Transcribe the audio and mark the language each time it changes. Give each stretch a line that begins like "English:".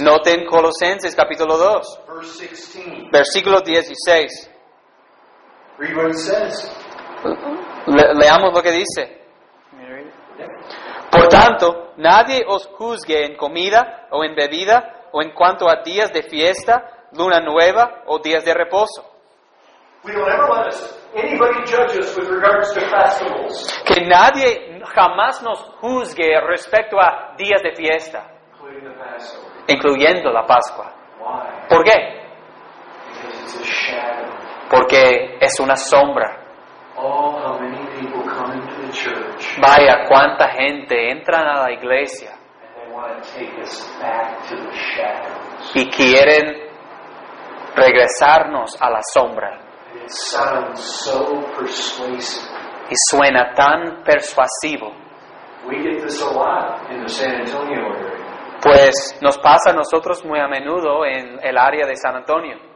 Spanish: Noten Colosenses capítulo 2. Versículo 16.
English: Read what it says.
Spanish: Leamos lo que dice. Por tanto, nadie os juzgue en comida o en bebida o en cuanto a días de fiesta, luna nueva o días de reposo.
English: We don't ever let us, anybody judge us with regards to festivals.
Spanish: Que nadie jamás nos juzgue respecto a días de fiesta, incluyendo la Pascua.
English: Why?
Spanish: ¿Por qué?
English: Because it's a shadow.
Spanish: Porque es una sombra.
English: Oh, how many people come into the church.
Spanish: Vaya, cuánta gente entra a la iglesia.
English: And they want to take us back to the shadows.
Spanish: Y quieren regresarnos a la sombra.
English: It sounds so persuasive.
Spanish: Y suena tan persuasivo.
English: We get this a lot in the San Antonio area.
Spanish: Pues nos pasa a nosotros muy a menudo en el área de San Antonio.